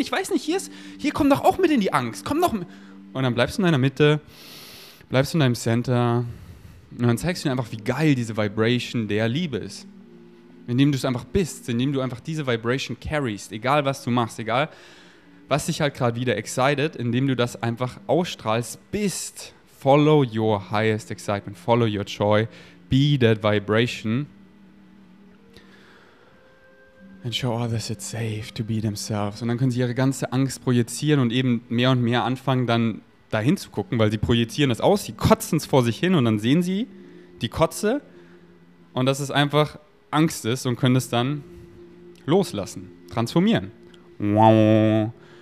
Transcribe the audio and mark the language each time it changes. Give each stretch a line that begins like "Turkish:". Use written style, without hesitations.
German: Ich weiß nicht, hier komm doch auch mit in die Angst, komm doch mit. Und dann bleibst du in deiner Mitte, bleibst du in deinem Center und dann zeigst du dir einfach, wie geil diese Vibration der Liebe ist. Indem du es einfach bist, indem du einfach diese Vibration carryst, egal was du machst, egal was dich halt gerade wieder excited, indem du das einfach ausstrahlst, bist.
English: Follow your highest excitement, follow your joy, be that vibration. And show others it's safe to be themselves.
German: Und dann können sie ihre ganze Angst projizieren und eben mehr und mehr anfangen, dann dahin zu gucken, weil sie projizieren es aus, sie kotzen es vor sich hin und dann sehen sie die Kotze und dass es einfach Angst ist und können es dann loslassen, transformieren. Wow.